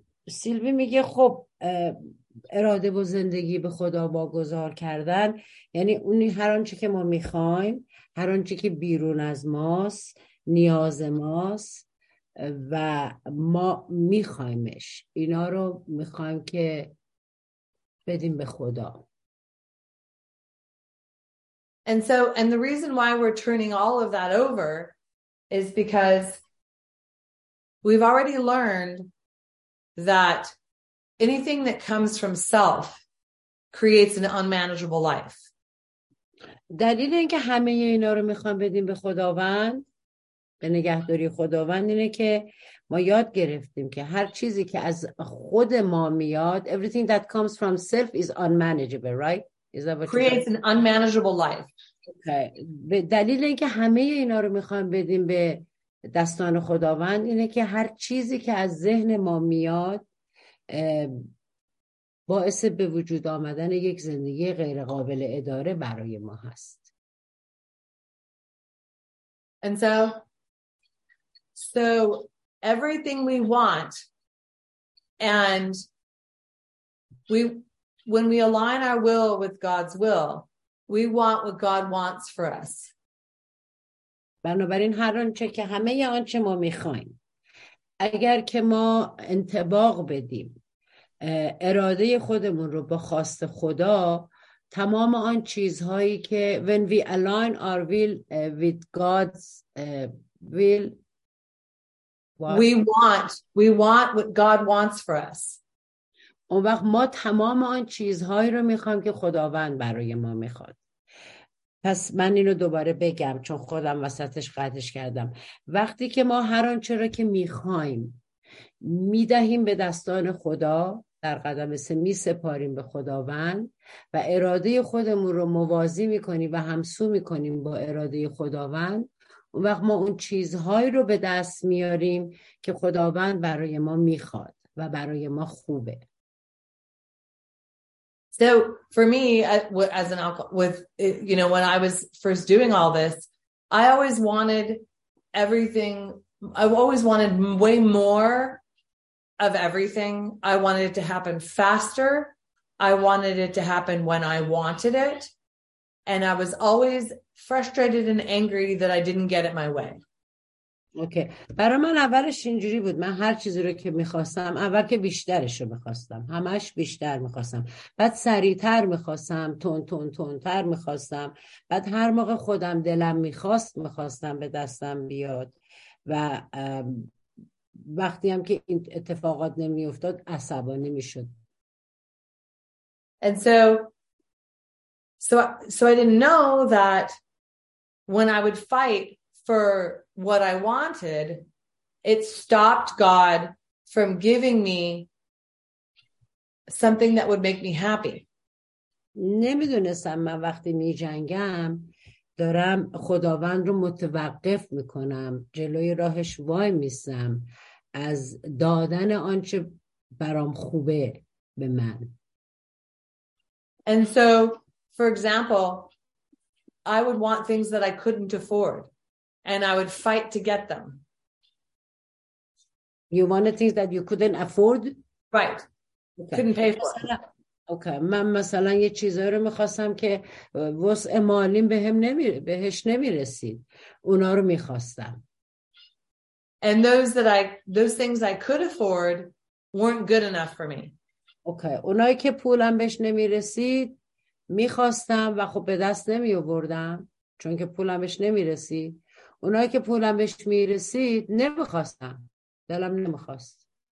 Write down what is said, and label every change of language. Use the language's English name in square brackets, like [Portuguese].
[Persian] سیلوی میگه خب اراده و زندگی به خدا واگذار کردن، یعنی اون هر آنچه که ما میخوایم، هر آنچه که بیرون از ماست، نیاز ماست و ما میخوایمش، اینا رو میخوایم که بدیم به خدا. [English] And so, and the reason why we're turning all of that over is because we've already learned that anything that comes from self creates an unmanageable life. [Persian] دلیل اینکه همه اینا رو میخوام بدیم به خداوند، به نگهداری خداوند، اینه که ما یاد گرفتیم که هر چیزی که از خود ما میاد، [English] everything that comes from self is unmanageable, right? Is that what creates an unmanageable life. Okay. [Persian] دلیل اینکه همه اینا رو میخوام بدیم به دستان خداوند اینه که هر چیزی که از ذهن ما میاد باعث به وجود آمدن یک زندگی غیر قابل اداره برای ما هست. [English] And so everything we want, and when we align our will with God's will, we want what God wants for us. [Persian] بنابراین هر آنچه که همه ی آنچه ما میخوایم، اگر که ما انطباق بدیم اراده خودمون رو با خواست خدا، تمام آن چیزهایی که [English] when we align our will with God's will, we want what God wants for us. [Persian] اون وقت ما تمام آن چیزهایی رو میخوایم که خداوند برای ما میخواد. پس من اینو دوباره بگم چون خودم وسطش قطعش کردم. وقتی که ما هر آنچه را که میخوایم میدهیم به دستان خدا، در قدم سه میسپاریم به خداوند و اراده خودمون رو موازی میکنیم و همسو میکنیم با اراده خداوند، اون وقت ما اون چیزهایی رو به دست میاریم که خداوند برای ما میخواد و برای ما خوبه. [English] So for me, as an alcohol, with, you know, when I was first doing all this, I always wanted everything. I've always wanted way more of everything. I wanted it to happen faster. I wanted it to happen when I wanted it. And I was always frustrated and angry that I didn't get it my way. [Persian] اوکی. برای من اولش اینجوری بود، من هر چیزی رو که میخواستم، اول که بیشترش رو میخواستم، همش بیشتر میخواستم، بعد سریعتر میخواستم، تونتر میخواستم، بعد هر موقع خودم دلم میخواست میخواستم به دستم بیاد و وقتی هم که این اتفاقات نمیافتاد عصبانی میشد. [English] And so So I didn't know that when I would fight for what I wanted, it stopped God from giving me something that would make me happy. [Persian] نمیدونستم من وقتی می جنگم دارم خداوند رو متوقف میکنم، جلوی راهش وای میستم از دادن آنچه برام خوبه به من. [English] And so, for example, I would want things that I couldn't afford and I would fight to get them. You wanted things that you couldn't afford? Right. Okay. Couldn't pay for it. [Persian] اوکی okay. من مثلا یه چیزایی رو می‌خواستم که وسع مالیم بهش نمی‌رسید، اونا رو می‌خواستم. [English] And those things I could afford weren't good enough for me. [Persian] اوکی okay. اونایی که پولم بهش نمی‌رسید می‌خواستم و خب به دست نمی‌آوردم چون که پولم بهش نمی‌رسید. اونایی که پولم بهش می‌رسید نمی‌خواستم، دلم نمی‌خواست.